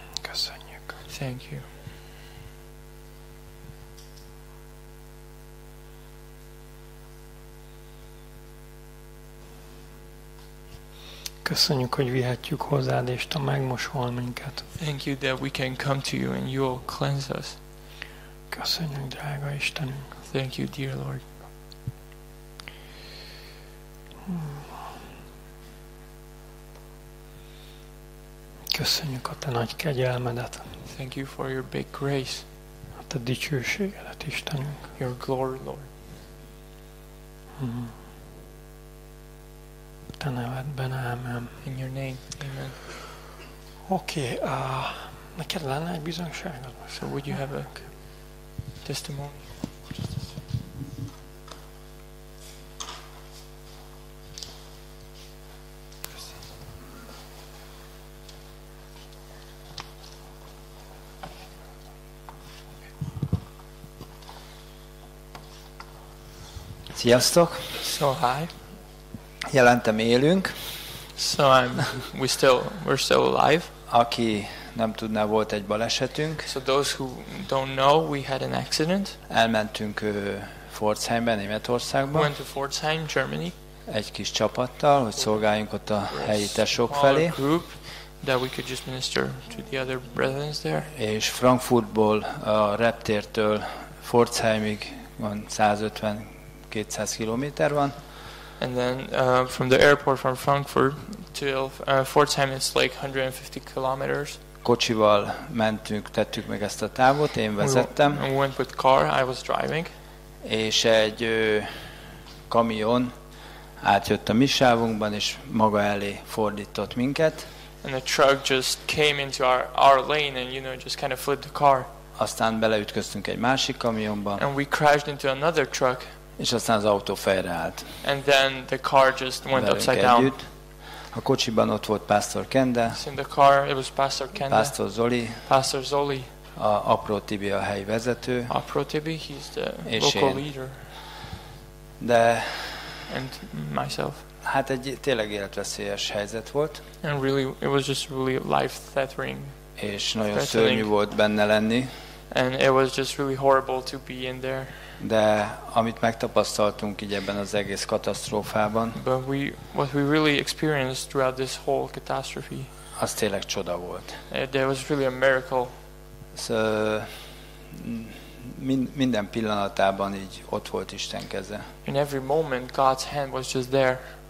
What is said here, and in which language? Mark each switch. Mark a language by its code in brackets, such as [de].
[hu] Köszönjük. [en] Thank you. [hu] Köszönjük, hogy vihetjük hozzád, és te megmosol minket. [en] Thank you that we can come to you and you will cleanse us. [hu] Köszönjük, drága Istenünk. [en] Thank you, dear Lord. [hu] Köszönjük a te nagy kegyelmedet. [en] Thank you for your big grace. [hu] A te dicsőségedet, Istenünk. [en] Your glory, Lord. [hu] Te nevedben, amen. [en] In your name, amen. [hu] Okay, neked lenne egy bizonyságod? [en] So would you have a testimony? [hu] Sziasztok! [en] So, hi! [hu] Jelentem élünk. [en] So we're still alive. [hu] Aki nem tudná, volt egy balesetünk. [en] So those who don't know, we had an accident. [hu] Elmentünk Pforzheimbe, Németországba. [en] We went to Pforzheim, Germany. [hu] Egy kis csapattal, hogy szolgáljunk ott a helyi tesók felé. [en] Group that we could just minister to the other brethren there. [hu] És Frankfurtból a reptértől Pforzheimig van 150-200 kilométer van. [en] And then from the airport from Frankfurt to Pforzheim it's like 150 kilometers. [hu] Kocsival mentünk, tettük meg ezt a távot, én vezettem. [en] We went with car, I was driving. [hu] És egy kamion átjött a mi sávunkban és maga elé fordított minket. [en] And a truck just came into our lane and, you know, just kind of flipped the car. [hu] Aztán beleütköztünk egy másik kamionba. [en] And we crashed into another truck. [hu] És aztán az autó félreállt. [en] And then the car just went upside [hu] együtt. [en] Down. [hu] A kocsiban ott volt Pastor Kende. [en] So in the car it was Pastor Kende. [hu] Pastor Zoli. [en] Pastor Zoli. [hu] A Apró Tibi a helyi vezető. [en] Apró Tibi, he's the local leader. [hu] De. [en] And myself. [hu] Hát egy tényleg életveszélyes helyzet volt. [en] And really, it was just really life-threatening. [hu] És nagyon szörnyű volt benne lenni. [en] And it was just really horrible to be in there. [hu] De amit megtapasztaltunk így ebben az egész katasztrófában. [en] But what we really experienced throughout this whole catastrophe. [hu] Az tényleg csoda volt. [en] It was really a miracle. [hu] So, minden pillanatában így ott volt Isten keze. [en] In every moment God's hand was just there.